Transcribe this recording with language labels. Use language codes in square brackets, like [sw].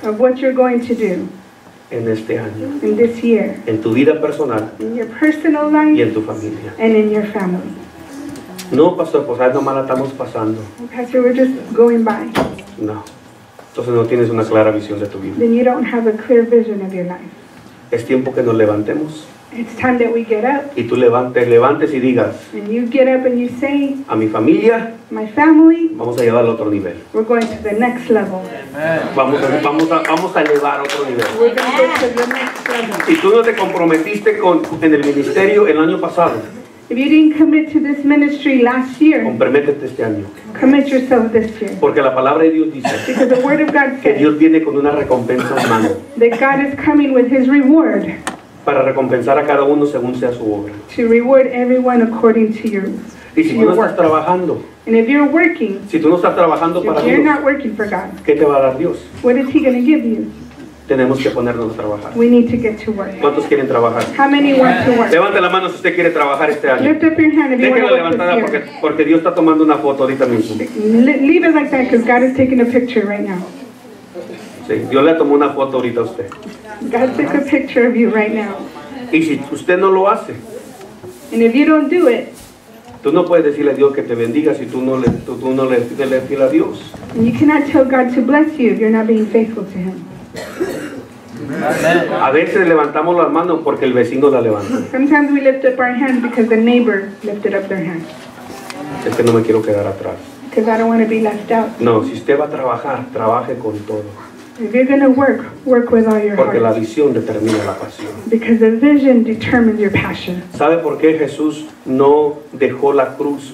[en] of what you're going to do, [es] en este año, [en] in this year, [es] en tu vida personal, [en] in your personal life, [es] y en tu familia, [en] and in your family. [es] No, pastor, pues algo mal estamos pasando. [en] Pastor, we're just going by. [es] No. Entonces no tienes una clara visión de tu vida. [en] Then you don't have a clear vision of your life. [es] Es tiempo que nos levantemos. [en] It's time that we get up. [es] Y tú levantes y digas. [en] And you get up and you say. [es] A mi familia. [en] My family. [es] Vamos a llevar al otro nivel. [en] We're going to the next level. [es] Vamos a elevar otro nivel. [en] We're going to the next level. [es] Si tú no te comprometiste con en el ministerio el año pasado. [en] If you didn't commit to this ministry last year, [es] comprométete este año. [en] Commit yourself this year. [es] Porque la palabra de Dios dice, [en] because the word of God says, [es] que Dios viene con una recompensa en mano, [en] that God is coming with his reward, [es] para recompensar a cada uno según sea su obra. [en] To reward everyone according to your [es] y si [en] to your [es] no estás trabajando, [en] and if you're working, [es] si tú no estás trabajando para [en] you're [es] Dios, [en] not working for God, [es] ¿qué te va a dar Dios? [en] What is he going to give you? [es] Tenemos que ponernos a trabajar. [en] We need to get to work. [es] ¿Cuántos quieren trabajar? [en] How many want to work? [es] Levante la mano si usted quiere trabajar este año. [en] Lift up your hand if you want to work this year. [es] Porque Dios está tomando una foto ahorita mismo. [en] Leave it like that because God is taking a picture right now. [es] Sí, Dios le tomó una foto ahorita a usted. [en] God took a picture of you right now. [es] Y si usted no lo hace. [en] And if you don't do it. [es] Tú no puedes decirle a Dios que te bendiga si tú no le fiel a Dios. [en] And you cannot tell God to bless you if you're not being faithful to him. [es] A veces levantamos las manos porque el vecino la levanta. [en] Sometimes we lift up our hands because the neighbor lifted up their hand. [es] Es que no me quiero quedar atrás. [en] Because I don't want to be left out. [es] No, si usted va a trabajar, trabaje con todo. [en] If you're going to work, work with all your heart. [es] Porque la visión determina la pasión. [en] Because the vision determines your passion. [es] ¿Sabe por qué Jesús no dejó la cruz?